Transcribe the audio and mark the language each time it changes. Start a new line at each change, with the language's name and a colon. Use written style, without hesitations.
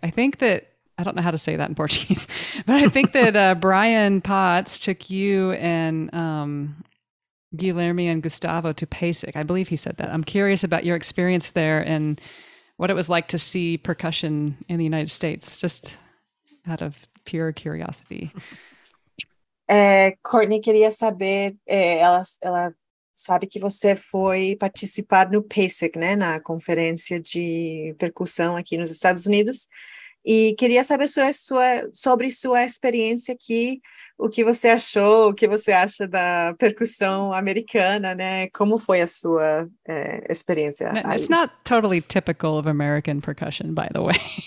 English: I think that, I don't know how to say that in Portuguese, but I think that Brian Potts took you and Guilherme and Gustavo to PASIC. I believe he said that. I'm curious about your experience there and what it was like to see percussion in the United States, just out of pure curiosity.
Portuguese: Courtney queria saber, ela sabe que você foi participar no PASIC, né, na conferência de percussão aqui nos Estados Unidos, e queria saber sobre sua experiência aqui, o que você achou, o que você acha da percussão americana, né, como foi a sua experiência.
English: Now, it's not totally typical of American percussion, by the way.